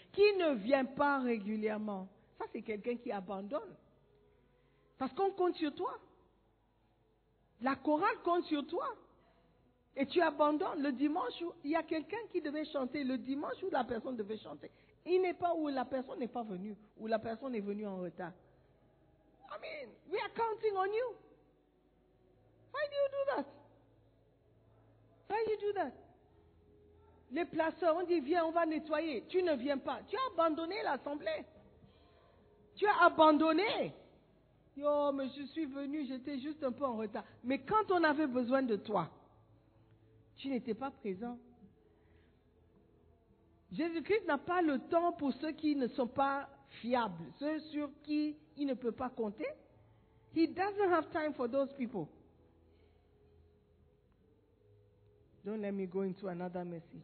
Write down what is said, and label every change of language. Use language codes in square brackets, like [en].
[fr] Qui ne vient pas régulièrement? Ça, c'est quelqu'un qui abandonne. Parce qu'on compte sur toi. La chorale compte sur toi. Et tu abandonnes le dimanche où il y a quelqu'un qui devait chanter, le dimanche où la personne devait chanter. Il n'est pas où la personne n'est pas venue, où la personne est venue en retard. [en] I mean, we are counting on you. Why do you do that? Why do you do that? [fr] Les placeurs, on dit, viens, on va nettoyer. Tu ne viens pas. Tu as abandonné l'assemblée. Tu as abandonné. Yo, mais je suis venu, j'étais juste un peu en retard. Mais quand on avait besoin de toi, tu n'étais pas présent. Jésus-Christ n'a pas le temps pour ceux qui ne sont pas fiables, ceux sur qui il ne peut pas compter. [en] He doesn't have time for those people. Don't let me go into another message.